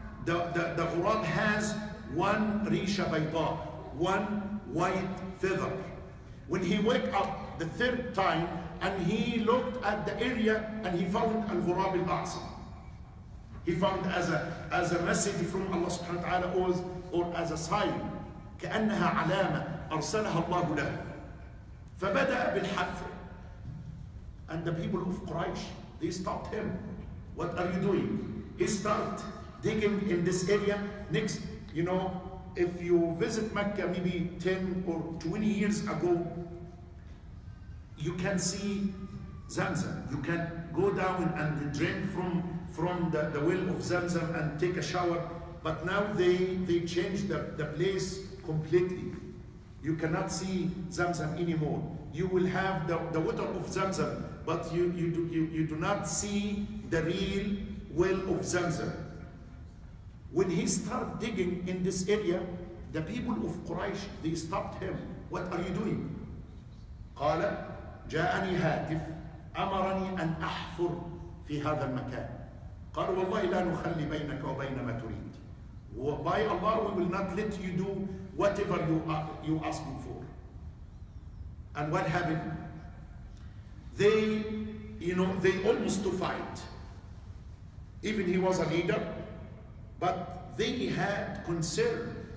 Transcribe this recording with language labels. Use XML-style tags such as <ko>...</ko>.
<en>The غراب has one</en> <ar>ريشة بيضاء,</ar> <en>one white feather. When he wake up the third time, and he looked at the area and he found al-ghurab al-a'sam. He found as a message from Allah subhanahu wa ta'ala or as a sign.</en> <ar>كأنها علامة أرسلها الله له. فبدأ بالحفر.</ar> <en>And the people of Quraysh, they stopped him. What are you doing? He start digging in this area. Next, you know, if you visit Mecca maybe 10 or 20 years ago, you can see Zamzam. You can go down and drink from the well of Zamzam and take a shower. But now they changed the place completely. You cannot see Zamzam anymore. You will have the water of Zamzam, but you do not see the real well of Zamzam. When he started digging in this area, the people of Quraysh, they stopped him. What are you doing?</en> <ar>قال جاءني هاتف أمرني أن أحفر في هذا المكان. قال والله لا نخلي بينك وبين ما تريد.</ar> <en>By Allah, we will not let you do whatever you ask me for. And what happened? They almost to fight. Even he was a leader, but they had concern.</en>